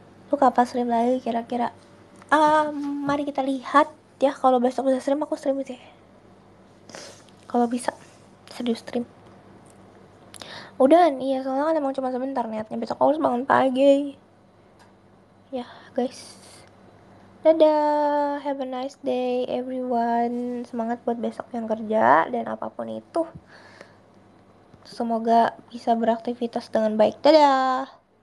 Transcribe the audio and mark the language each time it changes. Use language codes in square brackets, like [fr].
[id] Lu kapan stream lagi kira-kira? Mari kita lihat ya, kalau besok udah stream aku stream sih. Kalau bisa serius stream. Udah, iya soalnya kan emang cuma sebentar niatnya. Besok aku harus bangun pagi. Ya, guys. Dadah, [en] have a nice day everyone. [id] Semangat buat besok yang kerja dan apapun itu. Semoga bisa beraktivitas dengan baik. Dadah.